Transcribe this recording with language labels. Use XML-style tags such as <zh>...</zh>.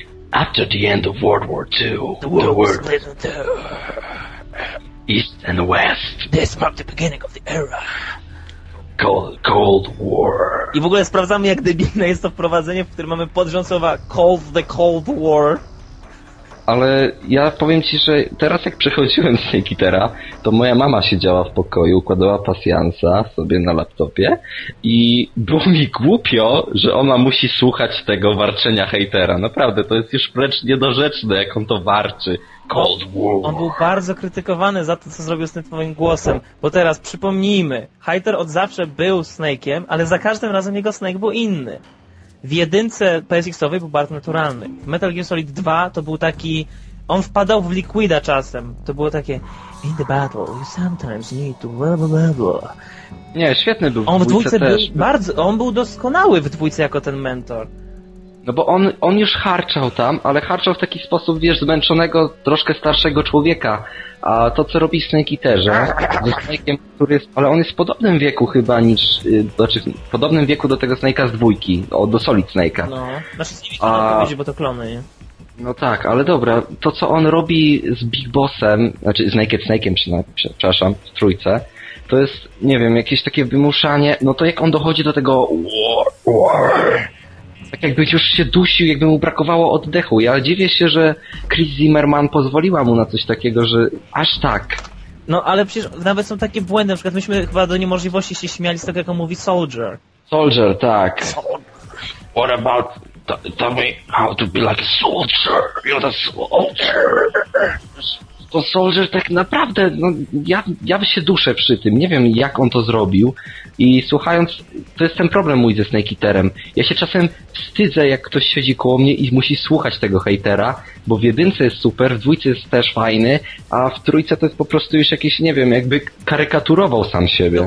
<en>After the end of World War II, the world split into East and West. This marked the beginning of the era. Cold War.</en> <pl>I w ogóle sprawdzamy, jak debilne jest to wprowadzenie, w którym mamy podrząd słowa Cold War. Ale ja powiem ci, że teraz jak przechodziłem z Snake Eatera, to moja mama siedziała w pokoju, układała pasjansa sobie na laptopie i było mi głupio, że ona musi słuchać tego warczenia hejtera. Naprawdę, to jest już wręcz niedorzeczne, jak on to warczy.</pl> <en>Cold War.</en> <pl>On był bardzo krytykowany za to, co zrobił z tym twoim głosem. Bo teraz, przypomnijmy, hejter od zawsze był Snake'iem, ale za każdym razem jego Snake był inny. W jedynce PSX-owej był bardzo naturalny. W Metal Gear Solid 2 to był taki... On wpadał w Liquida czasem. To było takie...</pl> <en>In the battle, you sometimes need to... Blah, blah, blah, blah.</en> <pl>Nie, świetny był on w dwójce też. Był bardzo, on był doskonały w dwójce jako ten mentor. No bo on już harczał tam, ale harczał w taki sposób, wiesz, zmęczonego, troszkę starszego człowieka. A to, co robi Snake Eaterze, ze Snake'iem, który jest, ale on jest w podobnym wieku chyba niż, znaczy w podobnym wieku do tego Snake'a z dwójki, do Solid Snake'a. No, znaczy z nimi to odpowiedzi, bo to klony, nie? No tak, ale dobra, to co on robi z Big Bossem, znaczy z Naked Snake'iem, przepraszam, w trójce, to jest, nie wiem, jakieś takie wymuszanie, no to jak on dochodzi do tego tak jakby już się dusił, jakby mu brakowało oddechu. Ja dziwię się, że Chris Zimmerman pozwoliła mu na coś takiego, że aż tak. No ale przecież nawet są takie błędy, na przykład myśmy chyba do niemożliwości się śmiali z tego, jak on mówi Soldier. Soldier, tak.</pl> <en>What about, tell me how to be like a soldier, you're the soldier.</en> <pl>To Soldier tak naprawdę, no ja się duszę przy tym, nie wiem jak on to zrobił i słuchając, to jest ten problem mój ze Snake Eaterem. Ja się czasem wstydzę, jak ktoś siedzi koło mnie i musi słuchać tego hejtera, bo w jedynce jest super, w dwójce jest też fajny, a w trójce to jest po prostu już jakiś, nie wiem, jakby karykaturował sam siebie.</pl>